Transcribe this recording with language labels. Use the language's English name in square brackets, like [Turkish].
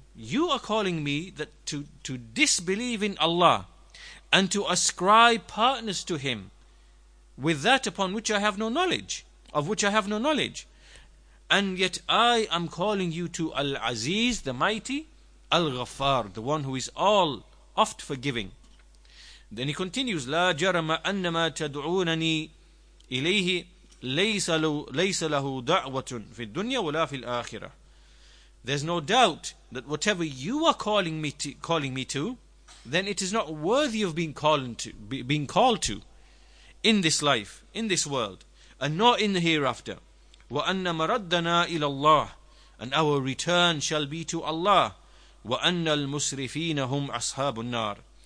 [English] You are calling me that to disbelieve in Allah and to ascribe partners to him with that upon which I have no knowledge, of which I have no knowledge. And yet I am calling you to Al-Aziz, the Mighty, Al-Ghaffar, the one who is all oft forgiving. Then he continues, [Arabic] لا جرم أنما تدعونني إليه ليس له دعوة في الدنيا ولا في الآخرة. [English] There's no doubt that whatever you are calling me to, then it is not worthy of being called to in this life, in this world, and not in the hereafter. [Arabic] وَأَنَّ مَرَدَّنَا إِلَى اللَّهِ, [English] and our return shall be to Allah. [Arabic] وَأَنَّ الْمُسْرِفِينَ هُمْ أَصْحَابُ النَّارِ,